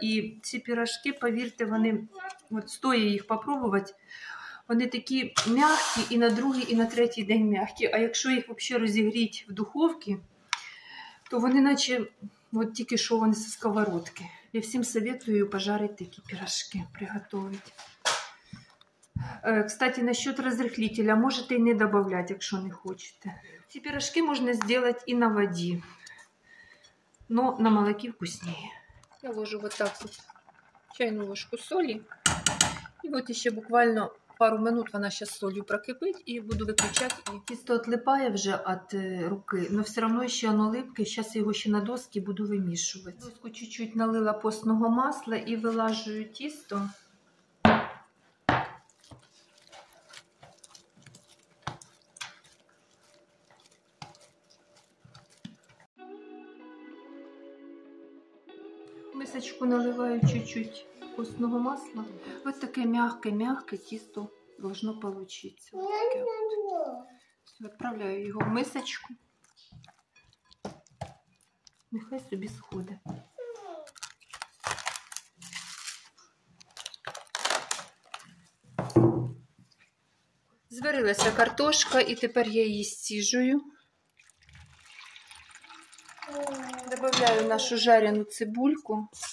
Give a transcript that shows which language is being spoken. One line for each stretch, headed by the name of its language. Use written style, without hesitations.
Ukrainian: І ці пирожки, повірте, вони, от стоїть їх спробувати, вони такі м'які і на другий, і на третій день м'які. А якщо їх взагалі розігріти в духовці, то вони наче от тільки що вони зі сковородки. Я всім советую пожарити такі пирожки, приготувати.
Russian: Кстати, насчет разрыхлителя, можете и не добавлять,
Ukrainian: якщо не хочете.
Russian: Эти пирожки можно сделать и на воде, но на молоке вкуснее. Я ложу вот так вот чайную ложку соли. И вот еще буквально
Ukrainian: пару минут вона ще з солью прокипить, і буду виключати. Тісто відлипає вже від руки, але все одно ще воно липке. Зараз його ще на доски буду вимішувати. Доску чуть-чуть налила постного масла і вилажую тісто. Мисочку наливаю чуть-чуть костного масла. Ось таке м'яке-м'яке тісто
Russian: должно получиться.
Ukrainian: Все, відправляю його в мисочку. Нехай собі сходить. Зварилася картошка і тепер я її зсіжую. Добавляю нашу жарену цибульку.